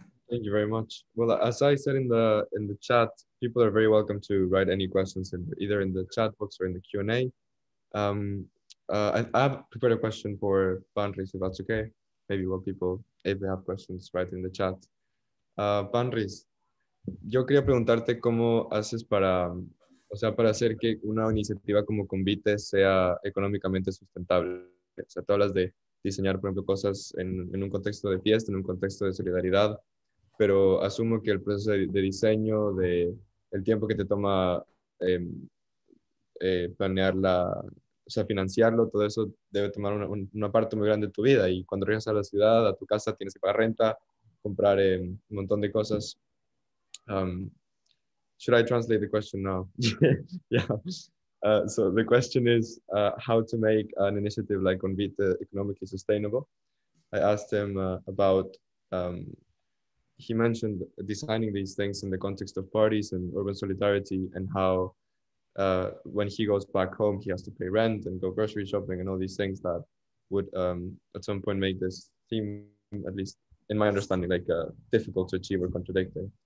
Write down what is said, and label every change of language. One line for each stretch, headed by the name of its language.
English: Thank you very much. Well, as I said in the chat, people are very welcome to write any questions either in the chat box or in the Q&A. I have prepared a question for Panris, if that's okay. Maybe while people, if they have questions, write in the chat.
Spanish: Panris, yo quería preguntarte cómo haces para hacer que una iniciativa como Convite sea económicamente sustentable. O sea, tú hablas de diseñar, por ejemplo, cosas en un contexto de fiesta, en un contexto de solidaridad, pero asumo que el proceso de diseño, de el tiempo que te toma planearla, o sea, financiarlo, todo eso debe tomar una parte muy grande de tu vida. Y cuando regresas a la ciudad, a tu casa, tienes que pagar renta, comprar un montón de cosas.
English: Should I translate the question now? Yeah. So the question is how to make an initiative like Convite economically sustainable. I asked him about... he mentioned designing these things in the context of parties and urban solidarity, and how when he goes back home, he has to pay rent and go grocery shopping and all these things that would at some point make this theme, at least in my understanding, like difficult to achieve or contradicting.